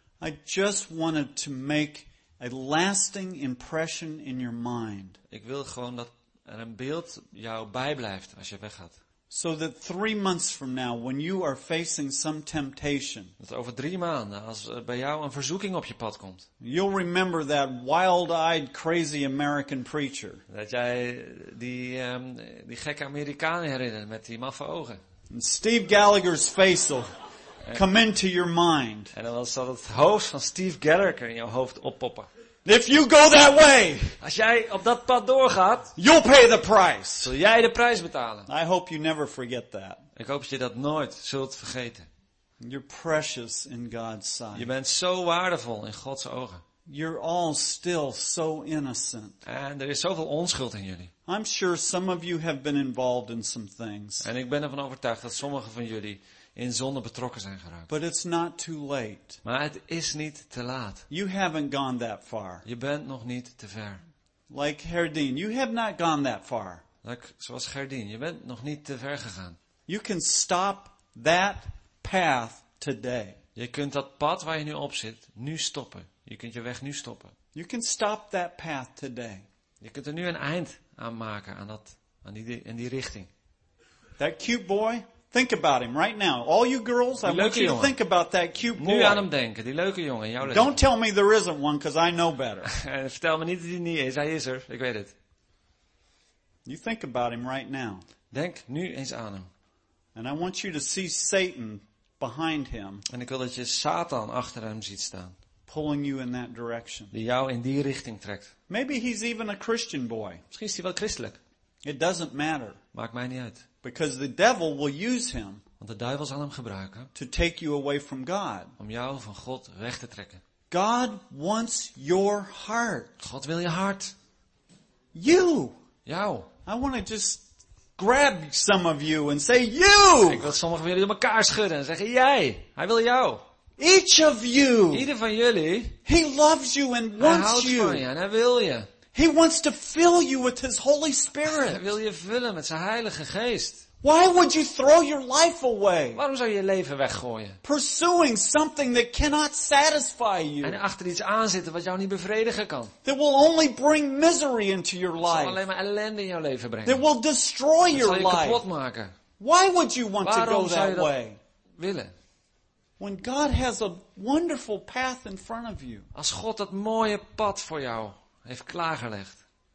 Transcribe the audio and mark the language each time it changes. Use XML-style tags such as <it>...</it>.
<en>I just wanted to make a lasting impression in your mind.</en> <nl>Ik wil gewoon dat er een beeld jou bijblijft als je weggaat.</nl> <en>So that 3 months from now, when you are facing some temptation,</en> <nl>dat over 3 maanden, als bij jou een verzoeking op je pad komt,</nl> <en>you'll remember that wild-eyed, crazy American preacher.</en> <nl>Dat jij die gekke Amerikaan herinnert met die maffe ogen.</nl> <en>And Steve Gallagher's face will come into your mind.</en> <nl>En dan zal het hoofd van Steve Gallagher in jouw hoofd oppoppen.</nl> <en>If you go that way,</en> <nl>als jij op dat pad doorgaat,</nl> <en>you'll pay the price.</en> <nl>Zul jij de prijs betalen.</nl> <en>I hope you never forget that.</en> <nl>Ik hoop dat je dat nooit zult vergeten.</nl> <en>You're precious in God's sight.</en> <nl>Je bent zo waardevol in Gods ogen.</nl> <en>You're all still so innocent.</en> <nl>En er is zoveel onschuld in jullie.</nl> <en>I'm sure some of you have been involved in some things.</en> <nl>En ik ben ervan overtuigd dat sommige van jullie in zonde betrokken zijn geraakt.</nl> <en>But it's not too late.</en> <nl>Maar het is niet te laat.</nl> <en>You haven't gone that far.</en> <nl>Je bent nog niet te ver.</nl> <en>Like Gerdien, you have not gone that far.</en> <nl>Zoals Gerdien, je bent nog niet te ver gegaan.</nl> <en>You can stop that path today.</en> <nl>Je kunt dat pad waar je nu op zit nu stoppen. Je kunt je weg nu stoppen.</nl> <en>You can stop that path today.</en> <nl>Je kunt er nu een eind aan maken aan die richting.</nl> <en>That cute boy. Think about him right now. All you girls, I want you to think about that cute boy.</en> <nl>Nu aan hem denken, die leuke jongen, jouw leven.</nl> <en>Don't tell me there isn't one, because I know better.</en> <nl>Vertel me niet dat hij niet is. Hij is er. Ik weet het.</nl> <en>You think about him right now.</en> <nl>Denk nu eens aan hem.</nl> <en>And I want you to see Satan behind him.</en> <nl>En ik wil dat je Satan achter hem ziet staan.</nl> <en>Pulling you in that direction.</en> <nl>Die jou in die richting trekt.</nl> <en>Maybe he's even a Christian boy.</en> <nl>Misschien is hij wel christelijk.</nl> <en>It doesn't matter.</en> <nl>Maakt mij niet uit.</nl> <en>Because the devil will use him,</en> <nl>want de duivel zal hem gebruiken,</nl> <en>to take you away from God,</en> <nl>om jou van God weg te trekken.</nl> <en>God wants your heart.</en> <nl>God wil je hart.</nl> <en>You.</en> <nl>Jou.</nl> <en>I want to just grab some of you and say you.</en> <nl>Ik wil sommigen van jullie op elkaar schudden en zeggen jij. Hij wil jou.</nl> <en>Each of you.</en> <nl>Ieder van jullie.</nl> <en>He loves you and wants you.</en> <nl>Hij houdt van je en hij wil je.</nl> <en>He wants to fill you with his Holy Spirit.</en> <nl>Hij wil je vullen met zijn Heilige Geest.</nl> <en>Why would you throw your life away?</en> <nl>Waarom zou je leven weggooien?</nl> <en>Pursuing something that cannot satisfy you.</en> <nl>En achter iets aanzitten wat jou niet bevredigen kan.</nl> <en>That will only bring misery into your life.</en> <nl>Zal alleen maar ellende in jouw leven brengen.</nl> <en>That will destroy your life.</en> <nl>Zal je kapot maken.</nl> <en>Why would you want to go that way?</en> <nl>Willen.</nl> <en>When God has a wonderful path in front of you.</en> <nl>Als God dat mooie pad voor jou heeft klaargelegd.</nl>